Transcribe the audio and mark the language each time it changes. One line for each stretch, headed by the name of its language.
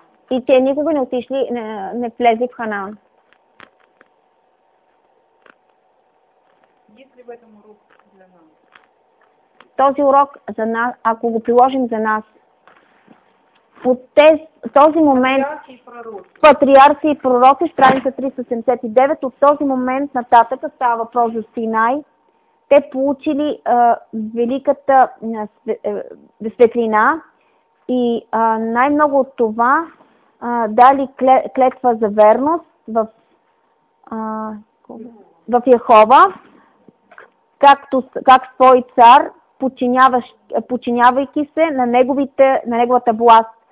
Bulgarian: И те никога не отишли, не влезли в Ханаан.
Russian: Есть ли в этом урок для нас?
Bulgarian: Този урок за нас, ако го приложим за нас, от този момент патриарси и пророци, страница 379, от този момент нататък става въпрос за Синай, те получили великата светлина и най-много от това дали клетва за верност в Яхова, как свой цар, подчинявайки се на неговата власт.